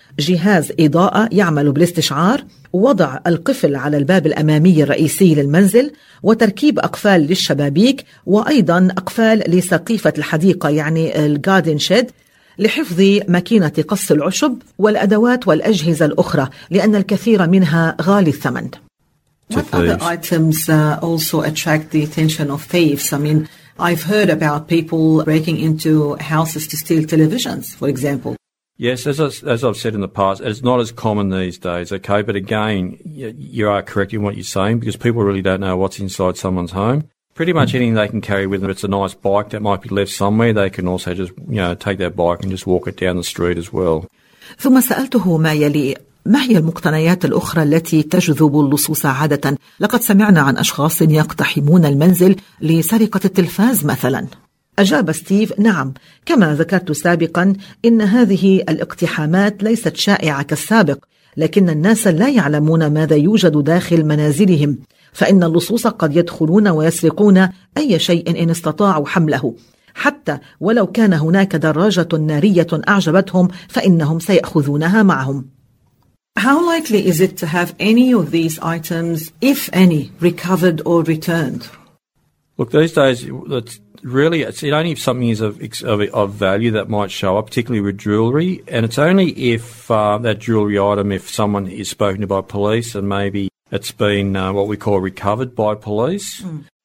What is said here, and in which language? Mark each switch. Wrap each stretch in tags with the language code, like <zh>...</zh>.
<ar>جهاز إضاءة يعمل بالاستشعار، وضع القفل على الباب الأمامي الرئيسي للمنزل، وتركيب أقفال للشبابيك، وأيضا أقفال لسقيفة الحديقة يعني الجاردن شيد لحفظ ماكينة قص العشب والأدوات والأجهزة الأخرى، لأن الكثير منها غالي الثمن.</ar> <en>What other items also attract the attention of thieves? I mean, I've heard about people breaking into houses to steal televisions, for example. Yes, as I've said in the past, it's not as common these days, okay? But again, you are correct in what you're saying, because people really don't know what's inside someone's home. Pretty much anything they can carry with them. It's a nice bike that might be left somewhere. They can also just, you know, take their bike and just walk it down the street as well.</en> <ar>ثم سألته ما يلي: ما هي المقتنيات الأخرى التي تجذب اللصوص عادة؟ لقد سمعنا عن أشخاص يقتحمون المنزل لسرقة التلفاز مثلا. أجاب ستيف: نعم، كما ذكرت سابقا، إن هذه الاقتحامات ليست شائعة كالسابق، لكن الناس لا يعلمون ماذا يوجد داخل منازلهم، فإن اللصوص قد يدخلون ويسرقون أي شيء إن استطاعوا حمله، حتى ولو كان هناك دراجة نارية أعجبتهم فإنهم سيأخذونها معهم.</ar> <en>How likely is it to have any of these items, if any, recovered or returned? Look, these days, it's only if something is of value that might show up, particularly with jewellery, and it's only if that jewellery item, if someone is spoken to by police and maybe it's been what we call recovered by police. Mm.</en>